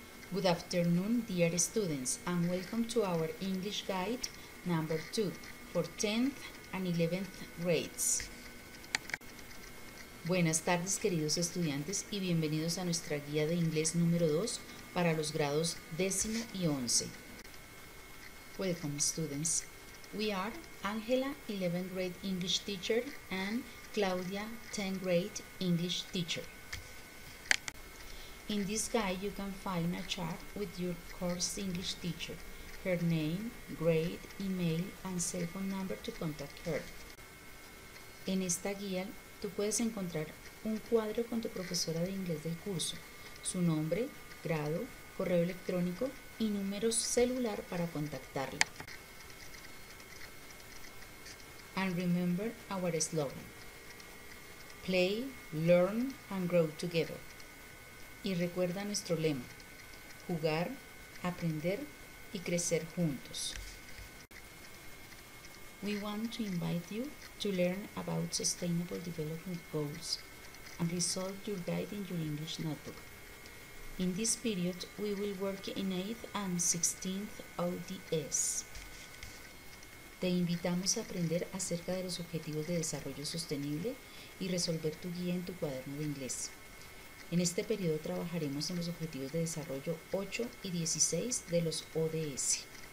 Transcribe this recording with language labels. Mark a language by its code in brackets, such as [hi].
[en] friends, and welcome to our English guide number 2 for 10th and 11th grades. [es] Buenas tardes, queridos estudiantes, y bienvenidos a nuestra guía de inglés número 2 para los grados 10 y 11. [en] Welcome, students. We are Angela, 11th grade English teacher, and Claudia, 10th grade English teacher. In this guide, you can find a chart with your course English teacher, her name, grade, email, and cell phone number to contact her. [es] En esta guía, tú puedes encontrar un cuadro con tu profesora de inglés del curso, su nombre, grado, correo electrónico y número celular para contactarla. [en] And remember our slogan, play, learn, and grow together. [es] Y recuerda nuestro lema, jugar, aprender y crecer juntos. [en] We want to invite you to learn about Sustainable Development Goals and resolve your guide in your English notebook. In this period, we will work in 8th and 16th ODS. [es] Te invitamos a aprender acerca de los Objetivos de Desarrollo Sostenible y resolver tu guía en tu cuaderno de inglés. En este periodo trabajaremos en los Objetivos de Desarrollo 8 y 16 de los ODS.